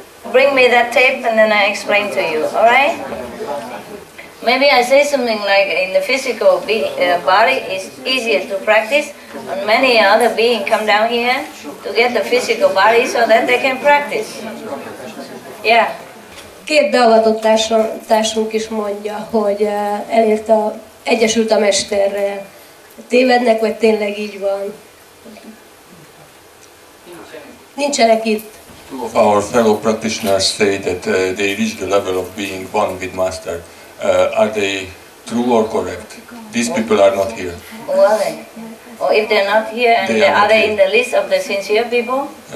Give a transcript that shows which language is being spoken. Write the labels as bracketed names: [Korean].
[English] Bring me that tape and then I explain to you, all right? Maybe I say something like in the physical body is easier to practice, and many other beings come down here to get the physical body so that they can practice. Yeah. [Hungarian] Két beavatott társunk is mondja, hogy elért a egyesült a mesterrel. Tévednek, vagy tényleg így van? Nincsenek itt. [English] Two of our fellow practitioners say that they reach the level of being one with master. Are they true or correct? These people are not here. Who are they? Or if they're not here, and they are they in the list of the sincere people?